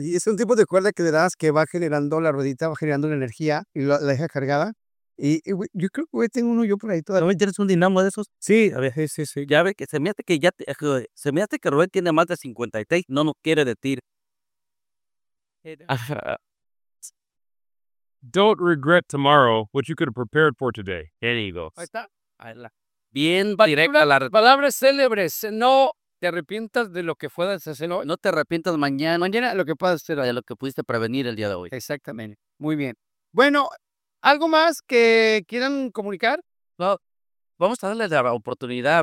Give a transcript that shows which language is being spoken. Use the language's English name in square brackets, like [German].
[Spanish] Y es un tipo de cuerda que das, que va generando la ruedita, va generando la energía y la deja cargada. Y yo creo que tengo uno yo por ahí todavía. ¿No me tienes un dinamo de esos? Sí, a ver, sí. Ya ve que se me hace que Rubén tiene más de 56, no nos quiere decir. [English] Don't regret tomorrow what you could have prepared for today. [Spanish] Ahí está. Bien directa la palabras célebres. No te arrepientas de lo que puedas hacer hoy. No te arrepientas mañana. Mañana lo que puedas hacer hoy. De lo que pudiste prevenir el día de hoy. Exactamente. Muy bien. Bueno, ¿algo más que quieran comunicar? Well, vamos a darle la oportunidad.